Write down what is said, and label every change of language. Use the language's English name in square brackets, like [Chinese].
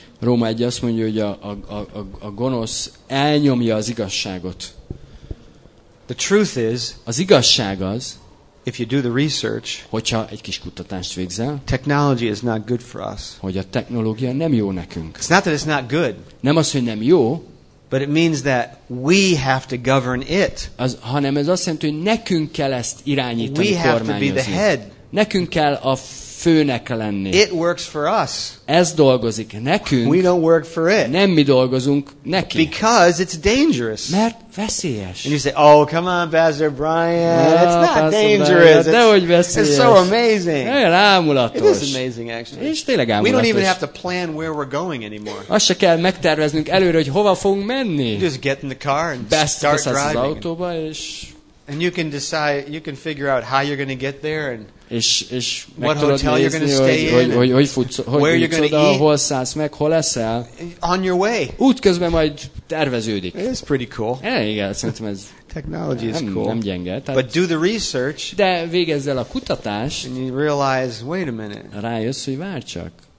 [Hungarian] Róma 1 azt mondja, hogy a gonosz elnyomja az igazságot. [English] The truth is, [Hungarian] az igazság az, [English] if you do the research, [Hungarian] hogyha egy kis kutatást végzel, [English] technology is not good for us. [Hungarian] Hogy a technológia nem jó nekünk. [English] It's not that it's not good. [Hungarian] Nem az, hogy nem jó, [English] but it means that we have to govern it. [Hungarian] Az, hanem ez azt jelenti, hogy nekünk kell ezt irányítani, [English] we have [Hungarian] kormányozni. [English] To be the head. [Hungarian] Nekünk kell a főnek lenni. [English] It works for us. [Hungarian] Ez dolgozik nekünk. [English] We don't work for it. [Hungarian] Nem mi dolgozunk neki. [English] Because it's dangerous. [Hungarian] Mert veszélyes. [English] And you say, oh, come on, Pastor Brian. No, it's not Pastor dangerous. Brian, [Hungarian] dehogy veszélyes. [English] It's so amazing. [Hungarian] Olyan ámulatos. [English] It is amazing, actually. [Hungarian] És tényleg ámulatos. [English] We don't even have to plan where we're going anymore. [Hungarian] Azt se kell megterveznünk előre, hogy hova fogunk menni. [English] You just get in the car and start driving. [Hungarian] Beszélsz az autóba, és... [English] And you can decide, you can figure out how you're going to get there and [Hungarian] és [English] what hotel [Hungarian] nézni, [English] you're going to stay [Hungarian] hogy futsz, hogy [English] where you're going to eat, [Hungarian] hol szállsz meg, hol leszel. [English] On your way. [Hungarian] Útközben majd terveződik. [English] It's pretty cool. [Hungarian] Igen, szerintem ez [English] technology is cool. [Hungarian] Nem gyenge. Tehát, [English] but do the research. [Hungarian] De végezz el a kutatást. [English] And you realize, wait a minute. [Hungarian] Rájössz, hogy várj csak.